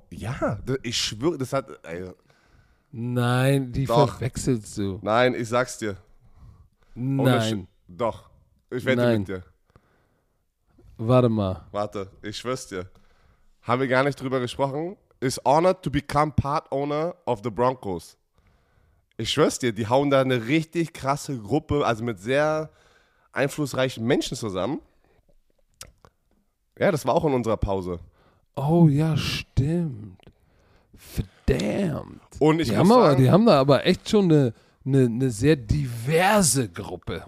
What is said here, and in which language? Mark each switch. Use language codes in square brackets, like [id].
[de] Ja, ich schwöre, das hat... Nein, die doch. Verwechselst du. Nein, ich sag's dir. Nein. Doch, ich wette Nein. mit dir. Warte mal. Warte, ich schwör's dir. Haben wir gar nicht drüber gesprochen. [en] Is honored to become part owner of the Broncos. [de] Ich schwör's dir, die hauen da eine richtig krasse Gruppe, also mit sehr einflussreichen Menschen zusammen. Ja, das war auch in unserer Pause. Oh ja, stimmt. Verdammt. Und ich die haben da aber echt schon eine sehr diverse Gruppe.